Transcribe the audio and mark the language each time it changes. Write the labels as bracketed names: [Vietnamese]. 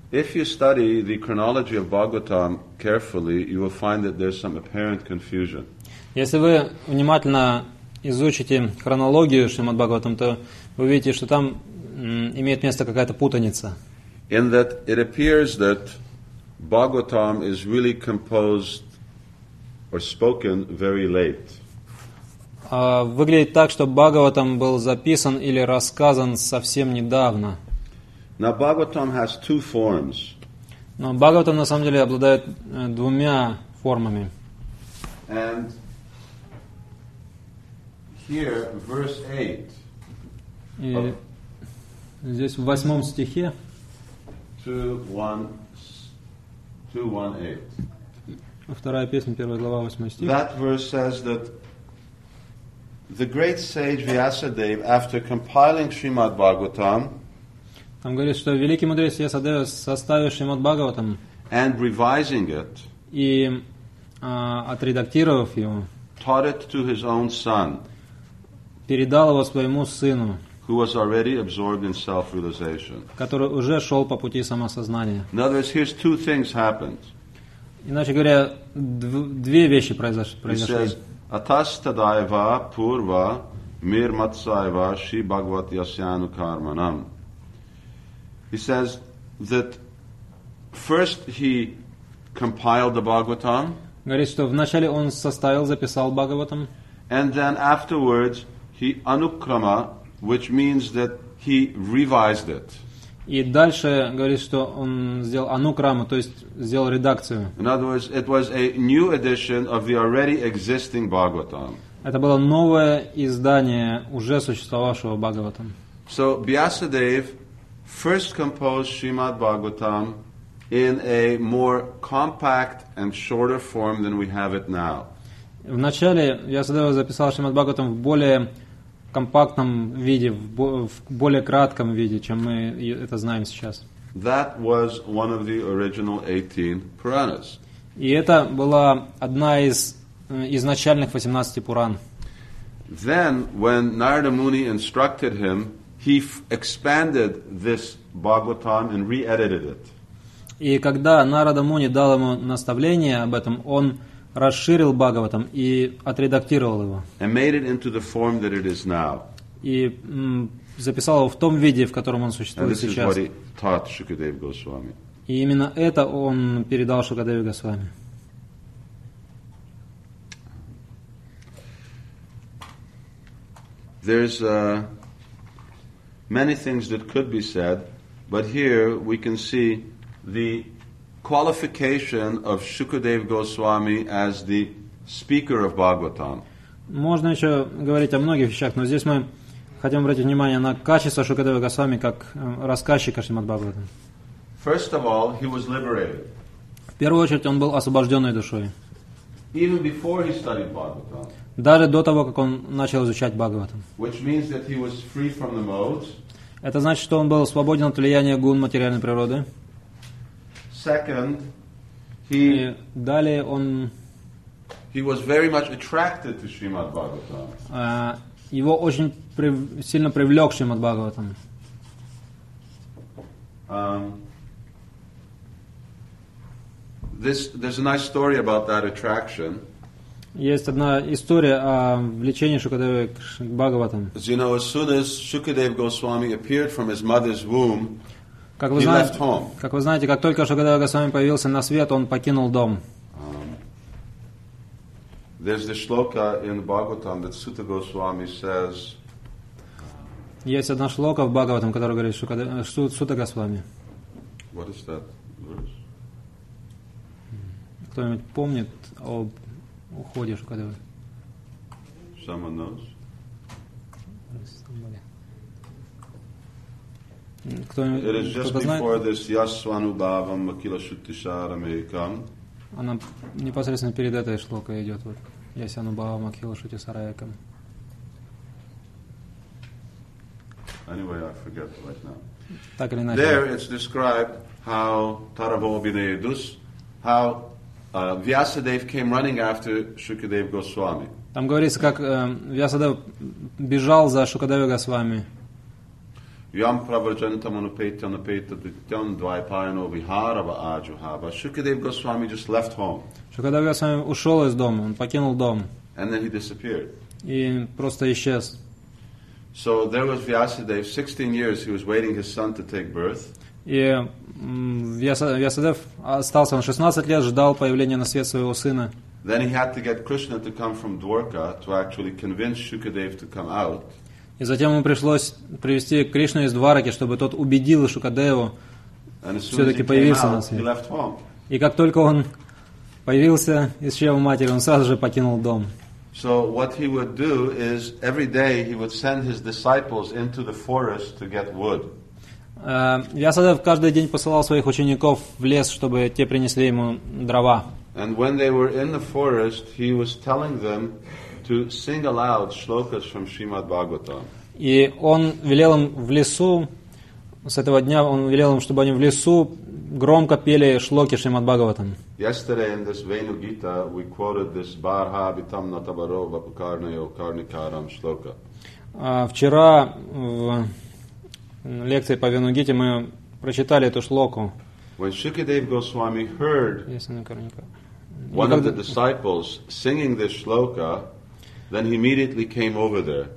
[English] If you study the chronology of Bhagavatam carefully, you will find that there's some apparent confusion. [Russian] Если вы внимательно изучите хронологию Шримад Бхагаватам, то вы увидите, что там имеет место какая-то путаница. [English] In that it appears that Bhagavatam is really composed or spoken very late. [Russian] Выглядит так, что Бхагаватам был записан или рассказан совсем недавно. [English] Now Bhagavatam has two forms. [Russian] Но Бхагаватам на самом деле обладает двумя формами. [English] And here, verse 8. [Russian] И здесь в восьмом стихе. [English] 2:1-8. [Russian] Вторая песня, первая глава, восьмой стих. [English] That verse says that the great sage Vyasadeva, after compiling Srimad Bhagavatam. [Russian] Там говорится, что великий мудрец Ясадева, составив Шримад Бхагаватам [English] and revising it, [Russian] и отредактировав его, [English] taught it to his own son, [Russian] передал его своему сыну, [English] who was already absorbed in self-realization, [Russian] который уже шел по пути самосознания. [English] In other words, here's two things happened. [Russian] Иначе говоря, две вещи произошли. [English] He says, Атастадайва пурва мир матсайва ши бхагват ясяну карманам. He says that first he compiled the Bhagavatam. [Russian] Говорит, что вначале он составил, записал Бхагаватам. [English] And then afterwards he anukrama, which means that he revised it. [Russian] И дальше говорит, что он сделал анукраму, то есть сделал редакцию. [English] In other words, it was a new edition of the already existing Bhagavatam. [Russian] Это было новое издание уже существовавшего Бхагаватам. [English] So Vyasadeva first composed Srimad Bhagavatam in a more compact and shorter form than we have it now. [Russian] Вначале Ясадева записал Шримад Бхагаватам в более компактном виде, в более кратком виде, чем мы это знаем сейчас. [English] That was one of the original 18 Puranas. [Russian] И это была одна из изначальных 18 Пуран. [English] Then, when Narada Muni instructed him, he expanded this Bhagavatam and re-edited it. [Russian] И когда Нарада Муни дал ему наставление об этом, он расширил Бхагаватам и отредактировал его. [English] And made it into the form that it is now. [Russian] И записал его в том виде, в котором он существует сейчас. [English] And this is what he taught Shukadeva Goswami. [Russian] И именно это он передал Шукадеве Госвами. [English] There's a many things that could be said, but here we can see the qualification of Shukadeva Goswami as the speaker of Bhagavatam. [Russian] Можно еще говорить о многих вещах, но здесь мы хотим обратить внимание на качество Шукадевы Госвами как рассказчика Шримад Бхагаватам. [English] First of all, he was liberated. [Russian] В первую очередь он был освобожденной душой. [English] Even before he studied Bhagavatam. [Russian] Даже до того, как он начал изучать Бхагаватам. [English] Which means that he was free from the modes. [Russian] Это значит, что он был свободен от влияния гун материальной природы. [English] Second, he, [Russian] и далее он [English] he was very much attracted to Srimad Bhagavatam. [Russian] Его очень сильно привлек Шримад Бхагаватам. [English] There's a nice story about that attraction. [Russian] Есть одна история о влечении Шукадевы к Бхагаватам. [English] As you know, as soon as Shukadeva Goswami appeared from his mother's womb, left home. [Russian] Как вы знаете, как только Шукадева Госвами появился на свет, он покинул дом. [English] There's the shloka in Bhagavatam that Suta Goswami says. [Russian] Есть одна шлока в Бхагаватам, которая говорит Сута Госвами. [English] What is that verse? [Russian] Кто-нибудь помнит об уходе Шукадевы? [English] Someone knows. It is just before this Yasvanu Bhavam Makila Shuttishara Mekam. [Russian] Она непосредственно перед этой шлокой идет. Вот. Yasvanu Bhavam Makila Shuttishara Mekam. [English] Anyway, I forget right now. [Russian] Так или иначе. [English] There it's described how Tarabho Vinayadus, how Vyasadeva came running after Shukadeva Goswami. [Russian] Там говорится, как Vyasadeva бежал за Шукадевой Госвами. [Sanskrit] Yam pravrajanta manupaita anupaita dityam dvaipayano viharava ajuhava. [English] Shukadeva Goswami just left home. [Russian] Shukadeva Goswami ушел из дома, он покинул дом. [English] And then he disappeared. [Russian] И просто исчез. [English] So there was Vyasadeva, 16 years he was waiting his son to take birth. [Russian] И Vyasadev остался, он 16 лет ждал появления на свет своего сына. [English] Then he had to get Krishna to come from Dwarka to actually convince Shukadeva to come out. [Russian] И затем ему пришлось привести Кришну из Двараки, чтобы тот убедил Шукадеву все-таки появился на свет. И как только он появился из чрева матери, он сразу же покинул дом. [English] So what he would do is every day he would send his disciples into the forest to get wood. [Russian] Ясадев каждый день посылал своих учеников в лес, чтобы те принесли ему дрова. [English] And when they were in the forest, he was telling them to sing aloud shlokas from Srimad Bhagavatam. [Russian] И он велел им в лесу, с этого дня он велел им, чтобы они в лесу громко пели шлоки Шримад Бхагаватам. [English] Yesterday in this Venu Gita we quoted this Barha Bitam Natabarova Pukarnayo Karnikaram Shloka. [Russian] Вчера в лекции по Venu Gita мы прочитали эту шлоку. [English] When Shukadev Goswami heard one of the disciples singing this shloka, then he immediately came over there.